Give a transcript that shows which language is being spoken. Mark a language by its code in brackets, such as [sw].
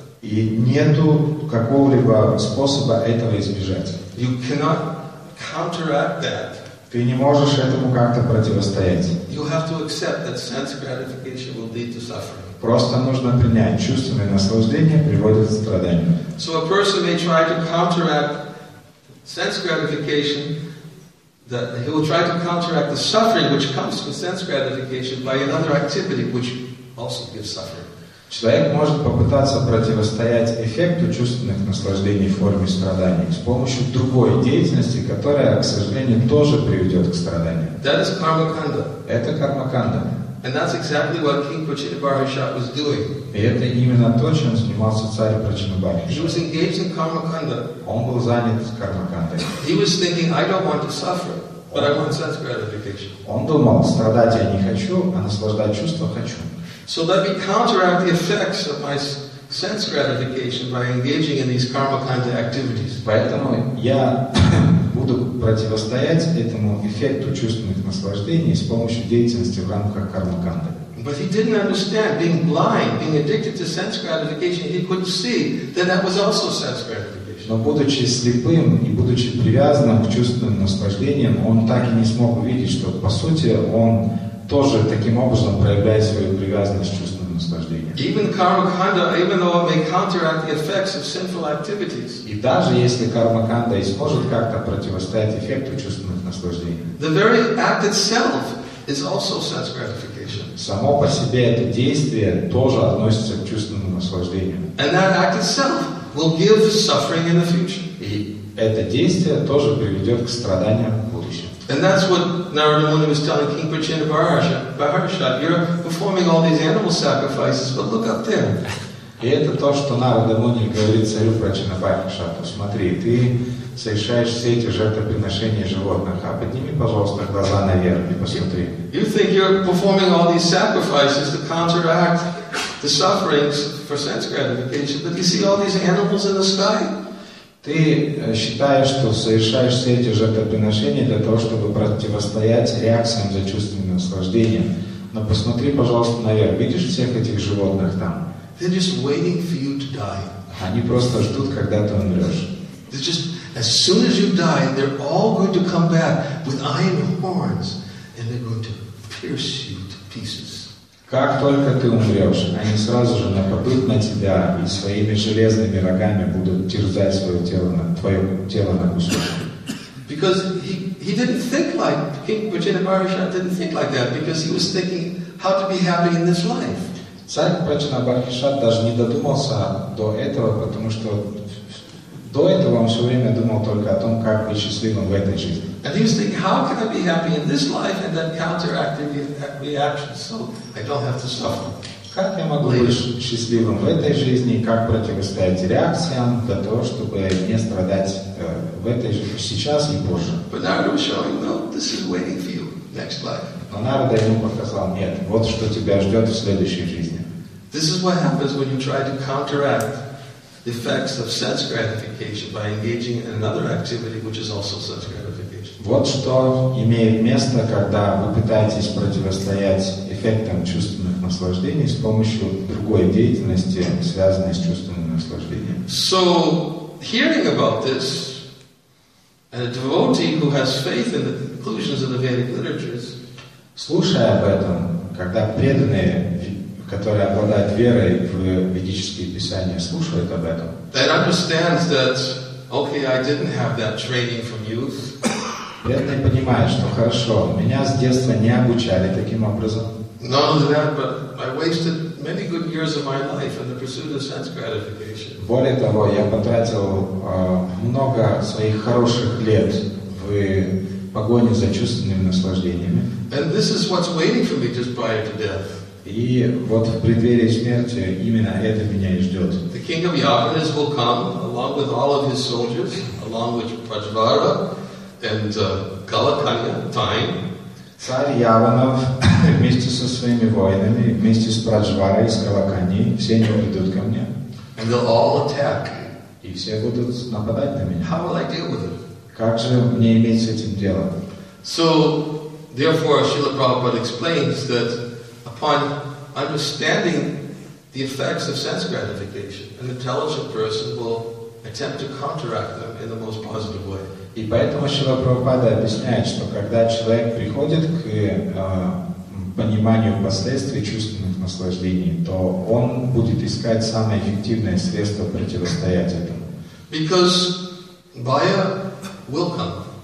[ru] И нету какого-либо способа этого избежать. [en] You cannot counteract that. [ru] Ты не можешь этому как-то противостоять. [en] You have to accept that sense gratification will lead to suffering. [ru] Просто нужно принять, чувственные наслаждения приводят к страданию. [en] So a person may try to counteract sense gratification, that he will try to counteract the suffering which comes from sense gratification by another activity which also gives suffering. [ru] Человек может попытаться противостоять эффекту чувственных наслаждений в форме страданий с помощью другой деятельности, которая, к сожалению, тоже приведет к страданию. [en] That is karma kanda. [ru] Это карма канда. [en] And that's exactly what King Prachinda Bharishat was doing. [ru] И это именно то, чем занимался царь Прачинда Бхарашат. [en] He was engaged in karma kanda. [ru] Он был занят карма кандой. [en] He was thinking, I don't want to suffer, but I want sense gratification. [ru] Он думал, страдать я не хочу, а наслаждать чувства хочу. [en] So let me counteract the effects of my sense gratification by engaging in these karma kanda activities. [ru] Поэтому я буду противостоять этому эффекту чувственных наслаждений с помощью деятельности в рамках кармаканды. [en] But he didn't understand being blind, being addicted to sense gratification. He couldn't see that that was also sense gratification. [ru] Но будучи слепым и будучи привязанным к чувственным наслаждениям, он так и не смог увидеть, что по сути он тоже таким образом проявляет свою привязанность к чувственным наслаждениям. [en] Even karmakanda, even though it may counteract the effects of sinful activities. [ru] И даже если кармаканда и сможет как-то противостоять эффекту чувственных наслаждений. [en] The very act itself is also sense gratification. [ru] Само по себе это действие тоже относится к чувственному наслаждению. [en] And that act itself will give suffering in the future. [ru] И это действие тоже приведет к страданиям в будущем. [en] And that's what Narada Muni was telling King Prachinda Maharaja. Maharaja, you're performing all these animal sacrifices, but look up there. [ru] И это то, что Нарада Муни говорит царю Прачина Бхакшату. Смотри, ты совершаешь все эти жертвоприношения животных, а подними, пожалуйста, глаза наверх и посмотри. [en] You think you're performing all these sacrifices to counteract the sufferings for sense gratification, but you see all these animals in the sky. [ru] Ты считаешь, что совершаешь все эти жертвоприношения для того, чтобы противостоять реакциям за чувственные наслаждения. Но посмотри, пожалуйста, наверх. Видишь всех этих животных там? [en] They're just waiting for you to die. [ru] Они просто ждут, когда ты умрешь. [en] They're just, as soon as you die, they're all going to come back with iron horns, and they're going to pierce you to pieces. [ru] Как только ты умрешь, они сразу же нападут на тебя и своими железными рогами будут терзать свое тело, твое тело на кусочки. [en] Because he didn't think like King Prachinda Maharaja didn't think like that because he was thinking how to be happy in this life. [ru] Царь Прачина Бхакишат даже не додумался до этого, потому что до этого он все время думал только о том, как быть счастливым в этой жизни. [en] And he was thinking, how can I be happy in this life and then counteract the reactions so I don't have to suffer? [ru] Как я могу быть счастливым в этой жизни, как противостоять реакциям для того, чтобы не страдать в этой жизни сейчас и позже? [en] But Narada was showing, no, this is waiting for you next life. [ru] Но Нарада ему показал, нет, вот что тебя ждет в следующей жизни. [en] This is what happens when you try to counteract the effects of sense gratification by engaging in another activity, which is also sense gratification. [ru] Вот что имеет место, когда вы пытаетесь противостоять эффектам чувственных наслаждений с помощью другой деятельности, связанной с чувственным наслаждением. [en] So, hearing about this, and a devotee who has faith in the conclusions of the Vedic literatures, [ru] слушая об этом, когда преданные, которые обладают верой в ведические писания, слушают об этом. [en] That understands that, okay, I didn't have that training from youth. [ru] Преданные понимают, что хорошо, меня с детства не обучали таким образом. [en] Not only that, but I wasted many good years of my life in the pursuit of sense gratification. [ru] Более того, я потратил много своих хороших лет в погоне за чувственными наслаждениями. [en] And this is what's waiting for me just prior to death. [ru] И вот в преддверии смерти именно это меня и ждет. [en] The king of Yavanas will come along with all of his soldiers, along with Prajvara and Kalakanya, time. [ru] Царь Яванов вместе со своими воинами, вместе с Прадживарой и с Калаканьей, все они придут ко мне. [en] And they'll all attack. [ru] И все будут нападать на меня. [en] How will I deal with it? [ru] Как же мне иметь с этим дело? [en] So, therefore, Srila Prabhupada explains that upon understanding the effects of sense gratification, an intelligent person will attempt to counteract them in the most positive way. [ru] И поэтому Шрила Прабхупада объясняет, что когда человек приходит к пониманию последствий чувственных наслаждений, то он будет искать самое эффективное средство противостоять этому. [en] Because Baya will come.